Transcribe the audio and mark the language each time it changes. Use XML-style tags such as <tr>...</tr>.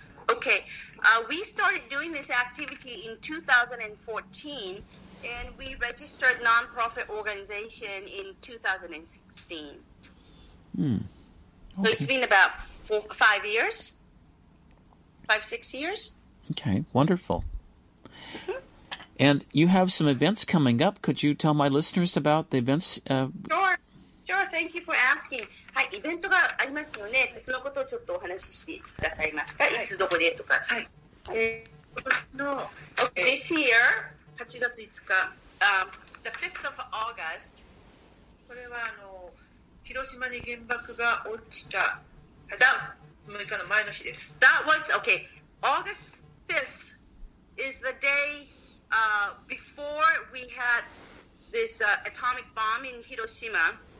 <en>Okay, we started doing this activity in 2014, and we registered non-profit organization in 2016. Hmm. Okay. So it's been about five, six years. Okay, wonderful. Mm-hmm. And you have some events coming up. Could you tell my listeners about the events? Sure. Sure, thank you for asking.</en> <ja>はい、イベントがありますよね。そのことをちょっとお話ししてくださいますか。はい、いつどこでとか。はい。</ja> <en>This year,</en> <ja>8月5日、</ja> <en>the 5th of August,</en> <ja>これはあの広島に原爆が落ちた8月6日の前の日です。</ja> <en>That was, okay, August 5th is the day before we had this atomic bomb in Hiroshima.</en>